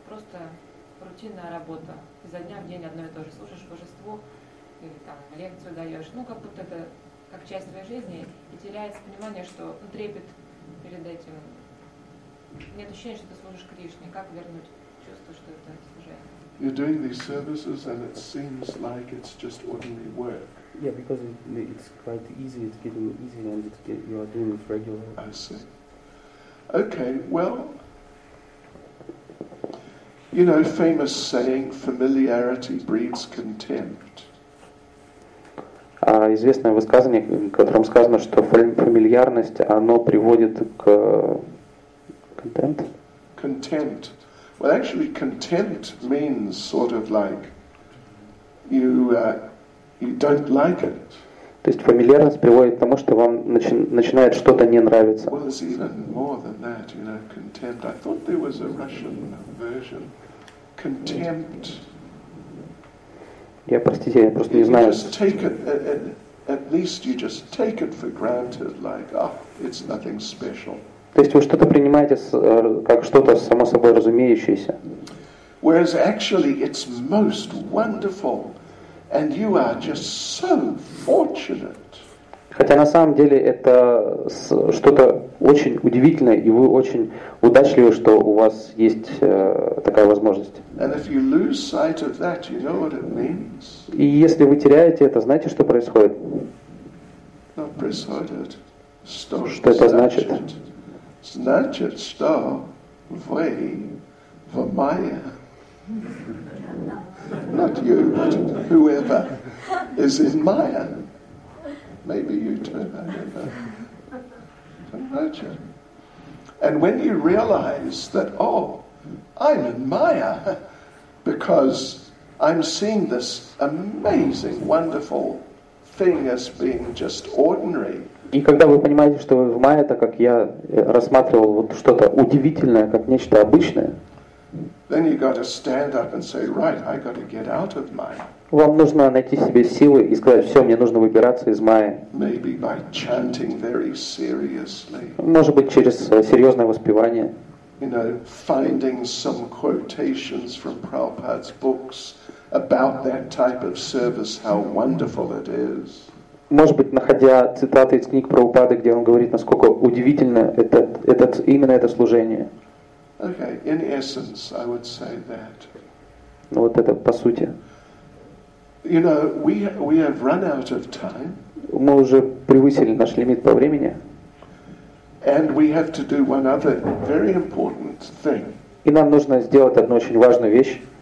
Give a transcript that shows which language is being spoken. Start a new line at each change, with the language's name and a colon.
Russian: Просто рутинная работа. Изо дня в день одно и то же. Служишь божеству, или там лекцию даешь. Как будто это как часть твоей жизни, и теряется понимание, что трепет перед этим. Нет ощущения, что ты служишь Кришне. Как вернуть чувство, что это служение?
English: You're doing these services and it seems like it's just ordinary work. Yeah, because it's quite easy, it's getting easy and you are doing it regularly. I see. Okay, well, famous saying, familiarity breeds contempt.
Russian: Известное высказание, в котором сказано, что фамильярность, оно приводит к
English: Contempt. Well, actually, contempt means sort of like you don't like it.
Russian: То есть фамильярность приводит к тому, что вам начинает что-то не нравиться.
English: Well, it's even more than that, contempt. I thought there was a Russian version. Contempt.
Russian: Я, простите, я просто не знаю.
English: You just take it, at least you just take it for granted, like, it's nothing special.
Russian: То есть вы что-то принимаете как что-то само собой разумеющееся.
English: Whereas actually it's most wonderful, and you are just so fortunate.
Russian: Хотя на самом деле это что-то очень удивительное, и вы очень удачливы, что у вас есть такая возможность.
English: And if you lose sight of that, you know what it means?
Russian: И если вы теряете это, знаете, что происходит?
English: Not precise.
Russian: Что это значит? Значит, что вы в мае.
English: Not you, but whoever is in Maya. Maybe you too, I don't know.
Russian: Значит.
English: And when you realize that, I'm in Maya because I'm seeing this amazing, wonderful thing as being just ordinary.
Russian: И когда вы понимаете, что вы в мае, так как я рассматривал вот что-то удивительное, как нечто обычное,
English: then you got to stand up and say, right, I got to get out of Maya.
Russian: Вам нужно найти в себе силы и сказать, все, мне нужно выбираться из мая.
English: Maybe by chanting very seriously.
Russian: Может быть, через серьезное воспевание.
English: Finding some quotations from Prabhupada's books about that type of service, how wonderful it is.
Russian: Может быть, находя цитаты из книг Прабхупады, где он говорит, насколько удивительно это служение.
English: Okay, in essence, I would say that.
Russian: Ну вот это по сути.
English: We have run out of time.
Russian: Мы уже превысили наш лимит по времени.
English: And we have to do one other very important thing.
Russian: И нам нужно сделать одну очень важную вещь.